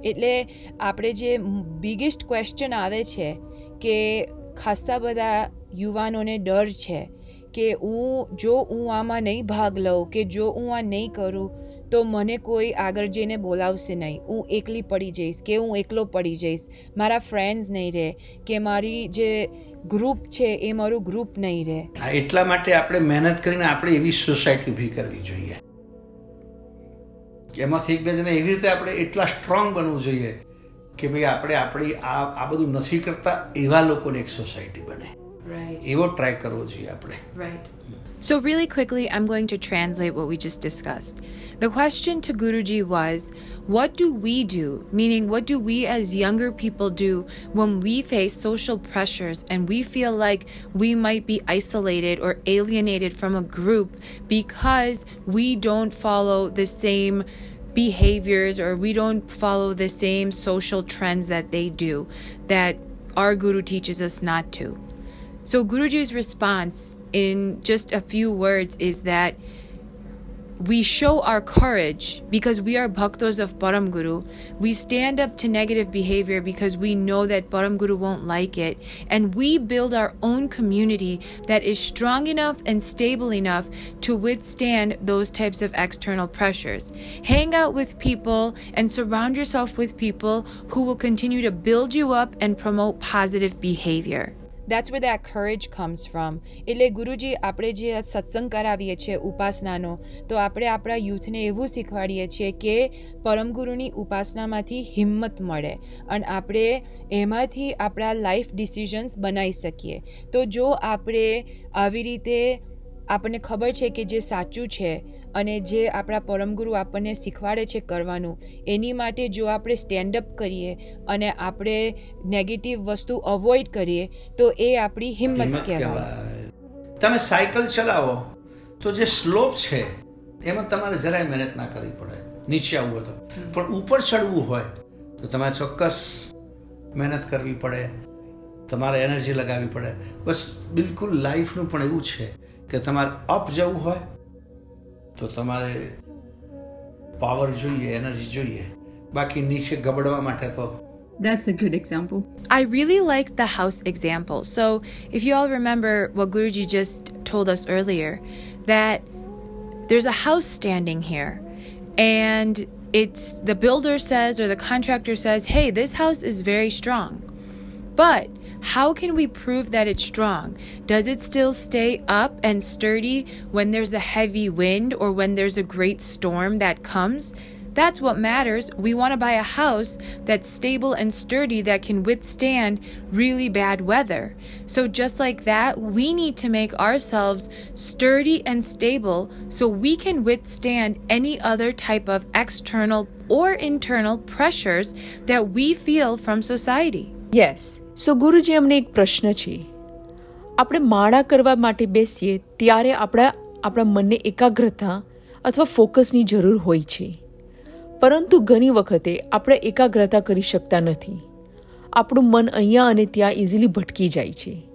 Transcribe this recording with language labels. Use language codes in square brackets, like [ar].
[gu] એટલે આપણે જે બિગેસ્ટ ક્વેશ્ચન આવે છે કે ખાસ્સા બધા યુવાનોને ડર છે કે હું જો હું આમાં નહીં ભાગ લઉં કે જો હું આ નહીં કરું તો મને કોઈ આગળ જઈને બોલાવશે નહીં, હું એકલી પડી જઈશ કે હું એકલો પડી જઈશ, મારા ફ્રેન્ડ્સ નહીં રહે કે મારી જે ગ્રુપ છે એ મારું ગ્રુપ નહીં રહે. એટલા માટે આપણે મહેનત કરીને આપણે એવી સોસાયટી ઊભી કરવી જોઈએ, એમાંથી એક બે જણા એવી રીતે આપણે એટલા સ્ટ્રોંગ બનવું જોઈએ કે ભાઈ આપણે આપણી આ બધું નથી કરતા એવા લોકોની એક સોસાયટી બને. [en] Right. So really quickly, I'm going to translate what we just discussed. The question to Guruji was, what do we do? Meaning, what do we as younger people do when we face social pressures and we feel like we might be isolated or alienated from a group because we don't follow the same behaviors or we don't follow the same social trends that they do, that our guru teaches us not to? So Guruji's response in just a few words is that we show our courage because we are bhaktos of Param Guru. We stand up to negative behavior because we know that Param Guru won't like it. And we build our own community that is strong enough and stable enough to withstand those types of external pressures. Hang out with people and surround yourself with people who will continue to build you up and promote positive behavior. That's where that courage comes from. [gu] એટલે ગુરુજી, આપણે જે સત્સંગ કરાવીએ છીએ ઉપાસનાનો, તો આપણે આપણા યુથને એવું શીખવાડીએ છીએ કે પરમગુરુની ઉપાસનામાંથી હિંમત મળે અને આપણે એમાંથી આપણા લાઈફ ડિસિઝન્સ બનાવી શકીએ. તો જો આપણે આવી રીતે આપણને ખબર છે કે જે સાચું છે અને જે આપણા પરમગુરુ આપણને શીખવાડે છે કરવાનું, એની માટે જો આપણે સ્ટેન્ડ અપ કરીએ અને આપણે નેગેટિવ વસ્તુ અવોઈડ કરીએ તો એ આપણી હિંમત કહેવાય. તમે સાયકલ ચલાવો તો જે સ્લોપ છે એમાં તમારે જરાય મહેનત ના કરવી પડે, નીચે આવવું હોય તો, પણ ઉપર ચડવું હોય તો તમારે ચોક્કસ મહેનત કરવી પડે, તમારે એનર્જી લગાવવી પડે. બસ બિલકુલ લાઈફનું પણ એવું છે કે તમારે અપ જવું હોય તો તમારે પાવર જોઈએ, એનર્જી જોઈએ, બાકી નીચે ગબડવા માટે તો. [en] That's a good example. I really like the house example. So, if you all remember what Guruji just told us earlier, that there's a house standing here and it's the builder says or the contractor says, "Hey, this house is very strong." But how can we prove that it's strong? Does it still stay up and sturdy when there's a heavy wind or when there's a great storm that comes? That's what matters. We want to buy a house that's stable and sturdy that can withstand really bad weather. So just like that, we need to make ourselves sturdy and stable so we can withstand any other type of external or internal pressures that we feel from society. Yes. [gu] સો ગુરુજી, અમને એક પ્રશ્ન છે. આપણે માળા કરવા માટે બેસીએ ત્યારે આપણા મનને એકાગ્રતા અથવા ફોકસની જરૂર હોય છે, પરંતુ ઘણી વખતે આપણે એકાગ્રતા કરી શકતા નથી, આપણું મન અહીંયા અને ત્યાં ઇઝીલી ભટકી જાય છે.